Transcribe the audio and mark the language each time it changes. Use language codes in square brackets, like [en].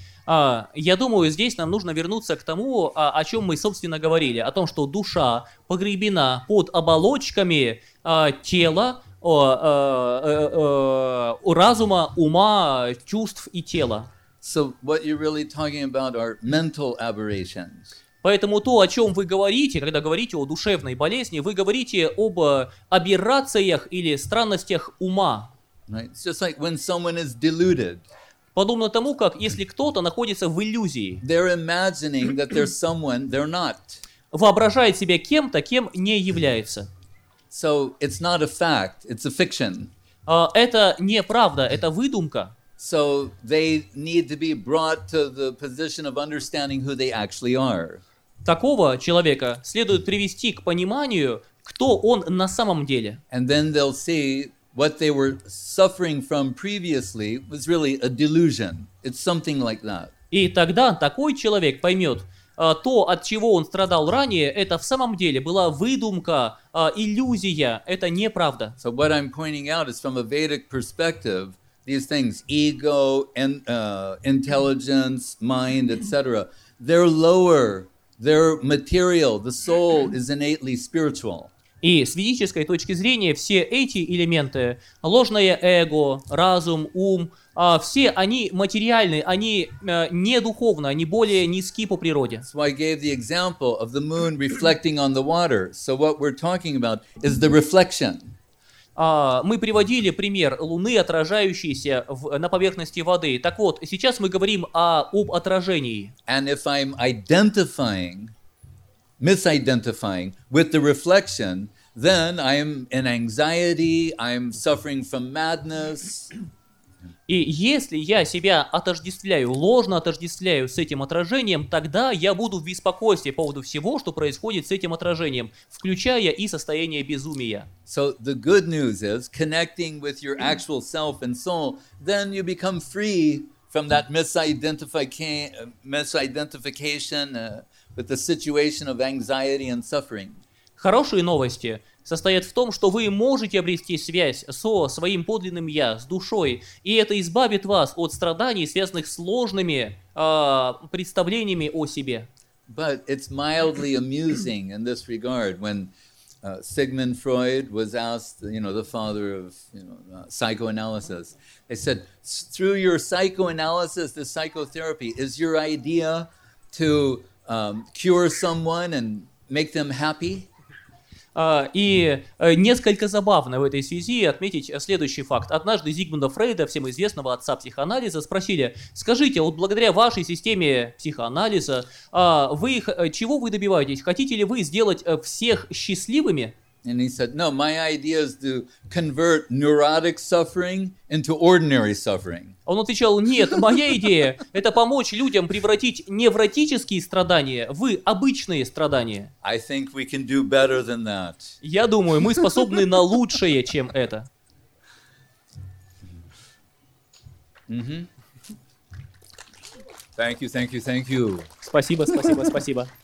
[ru] Я думаю, здесь нам нужно вернуться к тому, о чем мы, собственно, говорили, о том, что душа погребена под оболочками тела, разума, ума, чувств и тела. [en] So what you're really talking about are mental aberrations. [ru] Поэтому то, о чем вы говорите, когда говорите о душевной болезни, вы говорите об аберрациях или странностях ума. [en] Right. It's just like when someone is deluded. [ru] Подобно тому, как если кто-то находится в иллюзии. [en] They're imagining that they're someone they're not. [ru] Воображает себя кем-то, кем не является. [en] So it's not a fact, it's a fiction. [ru] Это не правда, это выдумка. [en] So they need to be brought to the position of understanding who they actually are. [ru] Такого человека следует привести к пониманию, кто он на самом деле. [en] And then they'll see what they were suffering from previously was really a delusion. It's something like that. [ru] И тогда такой человек поймет, то, от чего он страдал ранее, это в самом деле была выдумка, иллюзия, это неправда. [en] So what I'm pointing out is from a Vedic perspective, these things, ego, intelligence, mind, etc., they're lower, they're material, the soul is innately spiritual. [ru] И с ведической точки зрения все эти элементы, ложное эго, разум, ум, все они материальны, они не духовны, они более низки по природе. [en] So I gave the example of the moon reflecting on the water. So what we're talking about is the reflection. [ru] Мы приводили пример луны, отражающейся на поверхности воды. Так вот, сейчас мы говорим об отражении. [en] And if I'm identifying... misidentifying with the reflection, then I'm in anxiety, I'm suffering from madness. [ru] И если я себя отождествляю, ложно отождествляю с этим отражением, тогда я буду в беспокойстве по поводу всего, что происходит с этим отражением, включая и состояние безумия. [en] So the good news is, connecting with your actual self and soul, then you become free from that misidentification, with the situation of anxiety and suffering. [ru] Хорошие новости состоят в том, что вы можете обрести связь со своим подлинным я, с душой, и это избавит вас от страданий, связанных с ложными представлениями о себе. [en] But it's mildly amusing in this regard when Sigmund Freud was asked, you know, the father of, you know, psychoanalysis. They said, through your psychoanalysis, the psychotherapy, is your idea to cure someone and make them happy. [ru] И несколько забавно в этой связи отметить следующий факт. Однажды Зигмунда Фрейда, всем известного отца психоанализа, спросили: «Скажите, вот благодаря вашей системе психоанализа, вы чего вы добиваетесь? Хотите ли вы сделать всех счастливыми?» [en] And he said, no, my idea is to convert neurotic suffering into ordinary suffering. [ru] Он отвечал, нет, моя идея – это помочь людям превратить невротические страдания в обычные страдания. [en] I think we can do better than that. [ru] Я думаю, мы способны на лучшее, чем это. Mm-hmm. [en] Thank you, thank you, thank you. [ru] Спасибо, спасибо, спасибо.